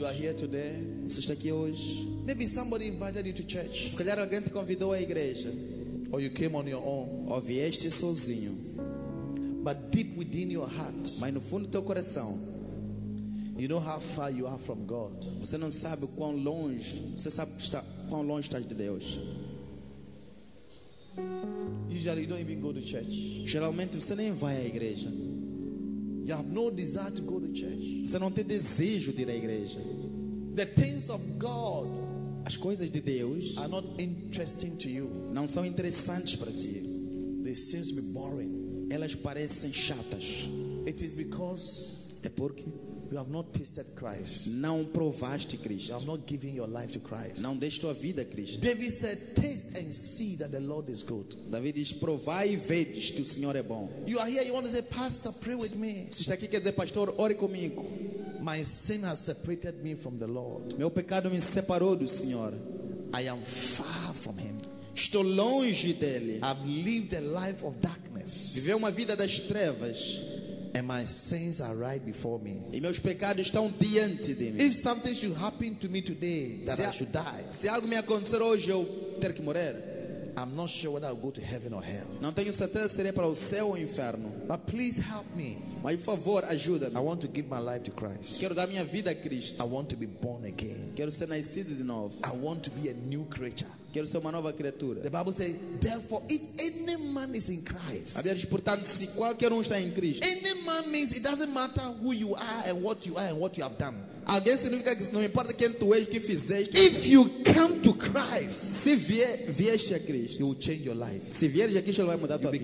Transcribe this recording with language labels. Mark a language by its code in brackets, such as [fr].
[en] You are here today. [pt] Você está aqui hoje. [en] Maybe somebody invited you to church. [pt] Se calhar alguém te convidou à igreja. [en] or you came on your own, [pt] ou vieste sozinho, [en] but deep within your heart, [pt] mas no fundo do teu coração, [en] you know how far you are from God. [pt] Você não sabe quão longe, você sabe que está quão longe está de Deus. [en] Usually you don't even go to church. [pt] Geralmente você nem vai à igreja. [en] You have no desire to go to church. [pt] Você não tem desejo de ir à igreja. [en] The things of God, [pt] as coisas de Deus, [en] are not interesting to you. [pt] Não são interessantes para ti. [en] They seem to be boring. [pt] Elas parecem chatas. [en] It is because, [pt] é porque, [en] you have not tasted Christ. [pt] Não provaste Cristo. [en] You have not given your life to Christ. [pt] Não deste tua vida a Cristo. [en] David said, "Taste and see that the Lord is good." [pt] David diz, provai e vedes que o Senhor é bom. [en] You are here. You want to say, "Pastor, pray with me." [pt] Se está aqui quer dizer, pastor, ore comigo. [en] My sin has separated me from the Lord. [pt] Meu pecado me separou do Senhor. [en] I am far from Him. [pt] Estou longe dele. [en] I've lived a life of darkness. [pt] Vivi uma vida das trevas. [en] And my sins are right before me. [pt] E meus pecados estão diante de mim. [en] If something should happen to me today, that I should die. [pt] Se algo me acontecer hoje, eu ter que morrer. [en] I'm not sure whether I'll go to heaven or hell. [pt] Não tenho certeza se irei para o céu ou o inferno. [en] But please help me. [pt] Mas por favor, ajuda-me. [en] I want to give my life to Christ. [pt] Quero dar minha vida a Cristo. [en] I want to be born again. [pt] Quero ser nascido de novo. [en] I want to be a new creature. [pt] Quero ser uma nova criatura. [en] The Bible says, therefore, if any man is in Christ, [pt] a Bíblia diz, portanto, se qualquer está em Cristo, [en] any man means it doesn't matter who you are and what you are and what you have done. [pt] Alguém significa que não importa quem tu és, o que fizeste. [en] If you come to Christ, [pt] se vieste a Cristo, [en] you will change your life. [pt] Se vieres a Cristo, ele vai mudar tua vida.